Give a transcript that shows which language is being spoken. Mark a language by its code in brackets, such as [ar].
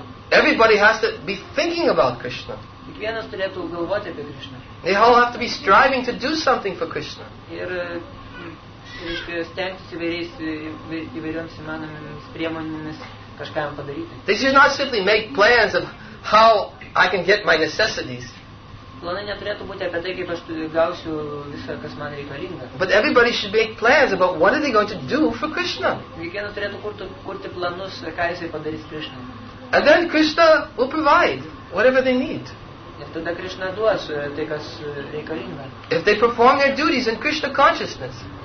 [en] Everybody has to be thinking about Krishna. They all have to be striving to do something for Krishna. They should not simply make plans of how I can get my necessities. [lt] Planai neturėtų būti apie tai, kaip aš gausiu visą, kas man reikalinga. [en] But everybody should make plans about what are they going to do for Krishna. [lt] Kiekvienas turėtų kurti planus, ką jisai padarys Krishna. [en] And then Krishna will provide whatever they need. [lt] Ir tada Krishna duos tai, kas reikalinga. [en] If they perform their duties in Krishna consciousness.